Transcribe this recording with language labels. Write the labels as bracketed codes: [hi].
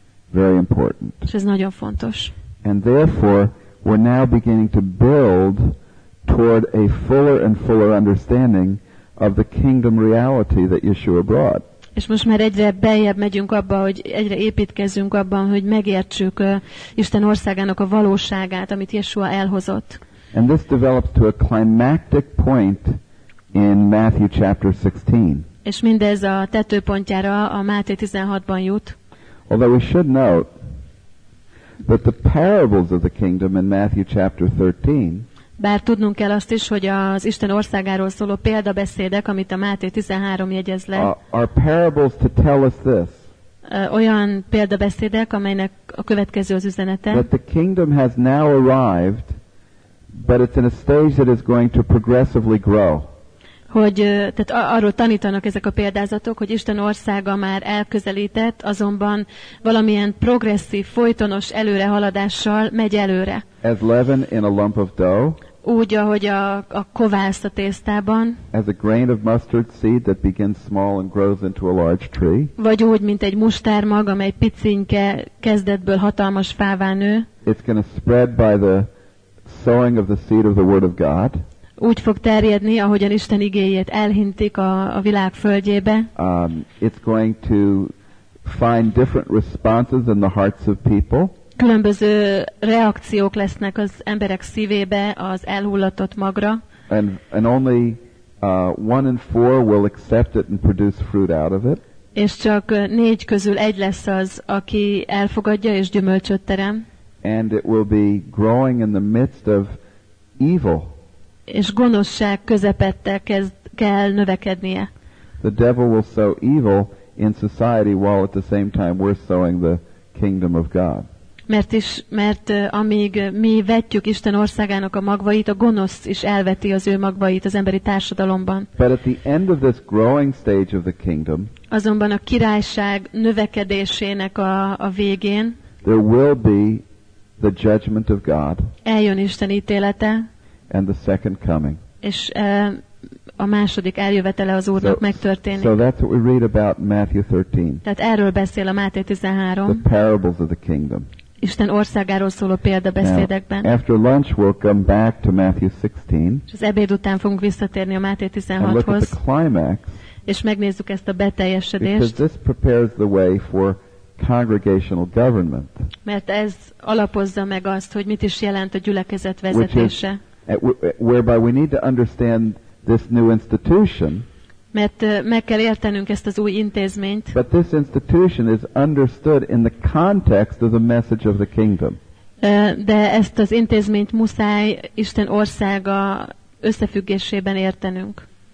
[en] Very important. [hu] És ez nagyon fontos. [en] And therefore we're now beginning to build toward a fuller and fuller understanding of the kingdom reality that Yeshua brought. [hu] És most már egyre beljebb megyünk abba, hogy egyre építkezzünk abban, hogy megértsük Isten országának a valóságát, amit Yeshua elhozott. [en] And this develops to a climactic point in Matthew chapter 16. [hu] És mindez a tetőpontjára a Máté 16-ban jut. [en] Although we should note that the parables of the kingdom in Matthew chapter 13. [hu] Bár tudnunk kell azt is, hogy az Isten országáról szóló példabeszédek, amit a Máté 13 jegyez le, [en] are parables to tell us this, [hu] olyan példabeszédek, amelynek a következő az üzenete, [en] that the kingdom has now arrived, but it's in a stage that is going to progressively grow. [hu] Hogy, tehát arról tanítanak ezek a példázatok, hogy Isten országa már elközelített, azonban valamilyen progresszív, folytonos előrehaladással megy előre. [en] As leaven in a lump of dough. [hu] Úgy, ahogy a kovász a tésztában. [en] As a grain of mustard seed that begins small and grows into a large tree. [hu] Vagy úgy, mint egy mustármag, amely picinke kezdetből hatalmas fává nő. [en] It's going to spread by the sowing of the seed of the word of God. [hu] Úgy fog terjedni, ahogyan Isten igéjét elhintik a világ földjébe. [en] It's going to find different responses in the hearts of people. [hu] Különböző reakciók lesznek az emberek szívébe az elhullatott magra. [en] And only one in four will accept it and produce fruit out of it. [hu] És csak négy közül egy lesz az, aki elfogadja és gyümölcsöt terem. [en] And it will be growing in the midst of evil. [hu] És gonoszság közepette kell növekednie. [en] The devil will sow evil in society while at the same time we're sowing the kingdom of God. [hu] Mert amíg mi vetjük Isten országának a magvait, a gonosz is elveti az ő magvait az emberi társadalomban. [en] But at the end of this growing stage of the kingdom, [hu] azonban a királyság növekedésének a végén, [en] there will be the judgment of God. [hu] Eljön Isten ítélete. [en] And the second coming. [hu] És a második eljövetele az Úrnak megtörténik. [en] So that's what we read about Matthew 13. [hu] Tehát erről beszél a Máté 13. [en] The parables of the kingdom. [hu] Isten országáról szóló példabeszédekben. [en] Now, after lunch we'll come back to Matthew 16. [hu] És az ebéd után fogunk visszatérni a Máté 16-hoz. [en] Climax, [hu] és megnézzük ezt a beteljesedést. [en] Because this prepares the way for congregational government. [hu] Mert ez alapozza meg azt, hogy mit is jelent a gyülekezet vezetése. [en] Whereby we need to understand this new institution. [hu] Mert meg kell értenünk ezt az új intézményt. [en] But this institution is understood in the context of the message of the kingdom. [hu] De ezt az intézményt muszáj Isten országa összefüggésében értenünk.